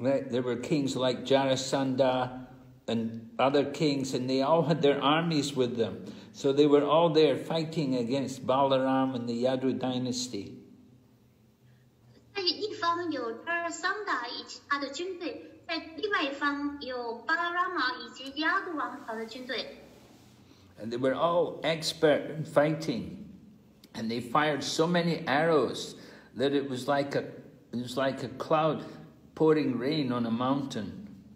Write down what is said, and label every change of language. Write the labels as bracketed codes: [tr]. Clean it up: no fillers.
[en] There were kings like Jarasandha and other kings, and they all had their armies with them. So they were all there fighting against Balaram and the Yadu dynasty. [zh] 在一方有巴拉萨姆达以及他的军队，在另外一方有巴拉拉玛以及亚杜王朝的军队。And [en] they were all expert in fighting, and they fired so many arrows that it was like a cloud pouring rain on a mountain.